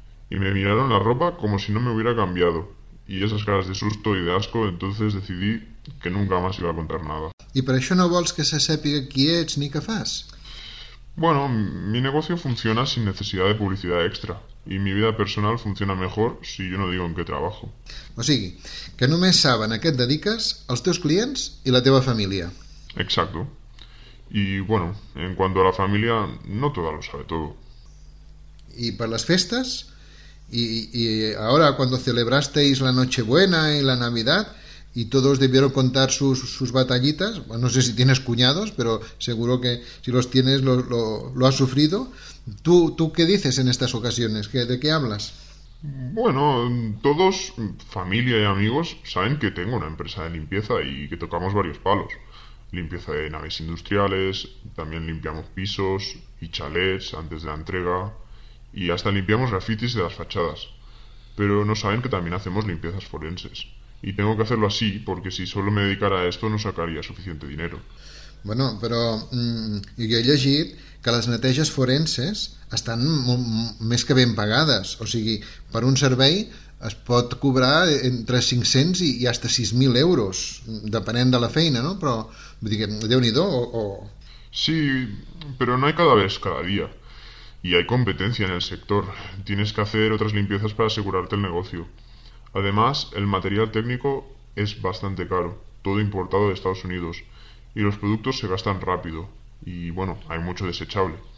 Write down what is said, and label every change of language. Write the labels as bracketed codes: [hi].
[es] Y me miraron la ropa como si no me hubiera cambiado. Y esas caras de susto y de asco, entonces decidí que nunca más iba a contar nada. ¿Y por eso no vols que se sepa quién eres [ca] ni qué fas? [es] Bueno, mi negocio funciona sin necesidad de publicidad extra. Y mi vida personal funciona mejor si yo no digo en qué trabajo. [ca] O sigui, que només saben a què et dediques els teus clients i la teva família. [es] Exacto. Y bueno, en cuanto a la familia, no toda lo sabe todo. [ca] I per les festes? [es] Y ahora, cuando celebrasteis la Nochebuena y la Navidad, y todos debieron contar sus batallitas, bueno, no sé si tienes cuñados, pero seguro que si los tienes lo has sufrido. ¿Tú qué dices en estas ocasiones? ¿De qué hablas? Bueno, todos, familia y amigos, saben que tengo una empresa de limpieza y que tocamos varios palos. Limpieza de naves industriales, también limpiamos pisos y chalets antes de la entrega, y hasta limpiamos grafitis de las fachadas. Pero no saben que también hacemos limpiezas forenses. Y tengo que hacerlo así, porque si solo me dedicara a esto no sacaría suficiente dinero. [ca] Bueno, però jo he llegit que les neteges forenses estan més que ben pagades. O sigui, per un servei es pot cobrar entre 500 i hasta 6.000 euros, depenent de la feina, no? Però, vull dir, Déu-n'hi-do, o... [es] Sí, pero no hay cada vez, cada día. Y hay competencia en el sector. Tienes que hacer otras limpiezas para asegurarte el negocio. Además, el material técnico es bastante caro, todo importado de Estados Unidos. Y los productos se gastan rápido. Y bueno, hay mucho desechable.